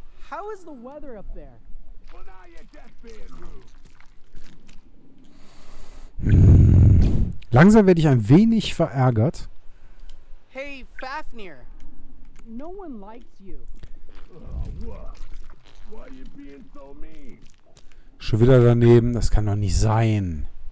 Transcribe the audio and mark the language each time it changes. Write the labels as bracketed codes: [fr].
[en] How is the weather up there? Well, now you're just being rude. [de] Langsam werde ich ein wenig verärgert. [en] Hey, Fafnir. No one likes you. Why are you being so mean? [de] Schon wieder daneben, das kann doch nicht sein.